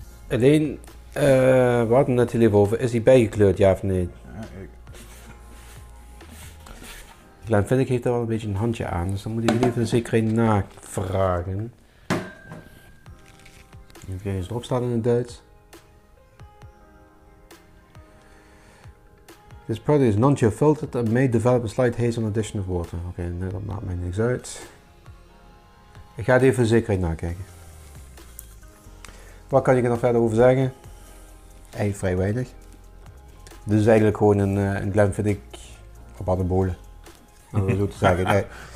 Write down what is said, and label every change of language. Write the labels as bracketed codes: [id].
[nl] Alleen, we hadden het net heel even over, is die bijgekleurd, ja of nee? Ja, ik... Glenfiddich heeft daar wel een beetje een handje aan, dus dan moet je even zeker een navragen. Even kijken eens erop staan in het Duits. [en] This product is non-geofiltered and may develop a slight haze on addition of water. [nl] Oké, okay, nee, dat maakt mij niks uit. Ik ga het even zekerheid nakijken. Wat kan ik er nog verder over zeggen? Eigenlijk vrij weinig. Dit is eigenlijk gewoon een Glenfiddich op anabolen. Om het zo te zeggen.